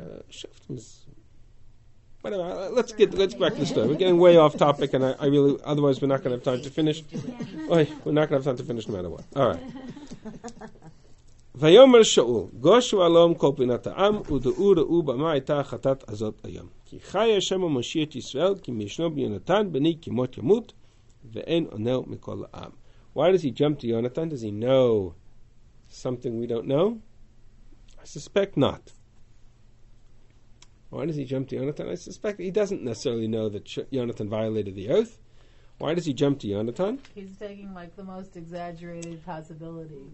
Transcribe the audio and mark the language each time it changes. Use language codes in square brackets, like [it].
[en] Shoftim is. Whatever. Let's crack the story. We're getting way off topic, and I really otherwise we're not going have time to finish. We're not going to have time to finish no matter what. All right. [he] ויאמר שאול, גושו הלום כל פינת העם, ודאו ראו במה הייתה החטאת הזאת היום. כי חי השם המושיע את ישראל, כי משנו ביונתן, בני כמות ימות, ואין עונה מכל העם. [en] Why does he jump to Yonatan? Does he know something we don't know? I suspect not. Why does he jump to Yonatan? I suspect he doesn't necessarily know that Yonatan violated the oath. Why does he jump to Yonatan? He's taking the most exaggerated possibility.